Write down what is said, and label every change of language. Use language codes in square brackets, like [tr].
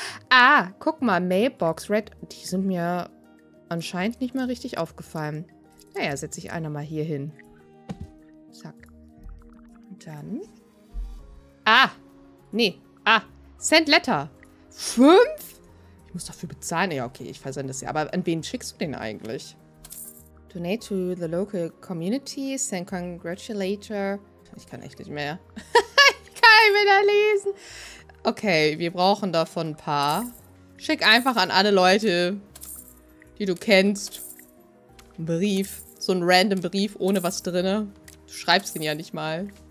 [de] Ah, guck mal, Mailbox, Red, die sind mir anscheinend nicht mal richtig aufgefallen. Naja, setze ich einer mal hier hin. Zack. Dann. Ah! Nee. Ah! Send Letter! 5? Ich muss dafür bezahlen. Ja, okay, ich versende es ja. Aber an wen schickst du den eigentlich? [en] Donate to the local community. Send congratulator. [de] Ich kann echt nicht mehr. Ich kann nicht mehr lesen. Okay, wir brauchen davon ein paar. Schick einfach an alle Leute, die du kennst, ein Brief, so ein random Brief, ohne was drinne. Du schreibst den ja nicht mal.